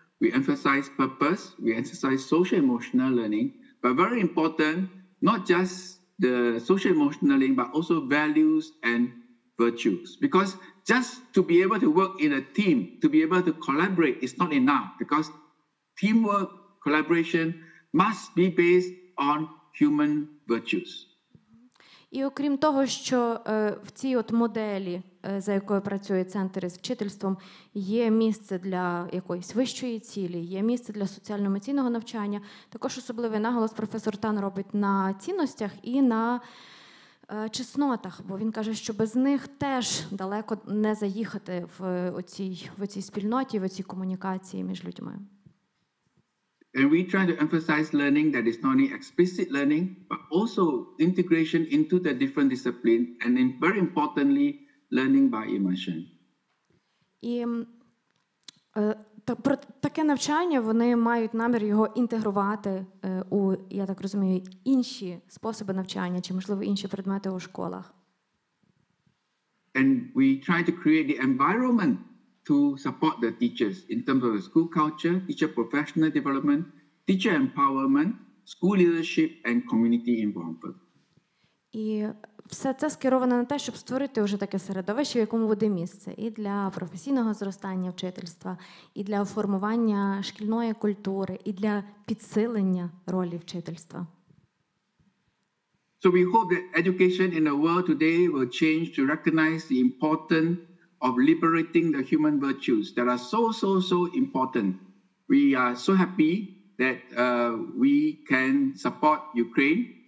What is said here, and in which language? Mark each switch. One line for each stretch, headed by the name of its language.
English: We emphasize purpose, we emphasize social emotional learning, but very important, not just the social emotional learning, but also values and virtues. Because just to be able to work in a team, to be able to collaborate is not enough, because teamwork, collaboration must be based on human virtues.
Ukrainian: І окрім того, що в цій от моделі, за якою працює центр із вчительством, є місце для якоїсь вищої цілі, є місце для соціально-емоційного навчання, також особливий наголос професор Тан робить на цінностях і на чеснотах, бо він каже, що без них теж далеко не заїхати в оцій спільноті, в оцій комунікації між людьми.
English: And we try to emphasize learning that is not only explicit learning, but also integration into the different disciplines, and then very importantly, learning by immersion.
Ukrainian: І про таке навчання вони мають намір його інтегрувати у, я так розумію, інші способи навчання чи, можливо, інші предмети у школах.
English: And we try to create the environment to support the teachers in terms of the school culture, teacher professional development, teacher empowerment, school leadership and community involvement.
Ukrainian: І все це скеровано на те, щоб створити вже таке середовище, в якому буде місце і для професійного зростання вчительства, і для формування шкільної культури, і для підсилення ролі вчительства.
English: So we hope that education in the world today will change to recognize the importance of liberating the human virtues that are so important. We are so happy that we can support Ukraine.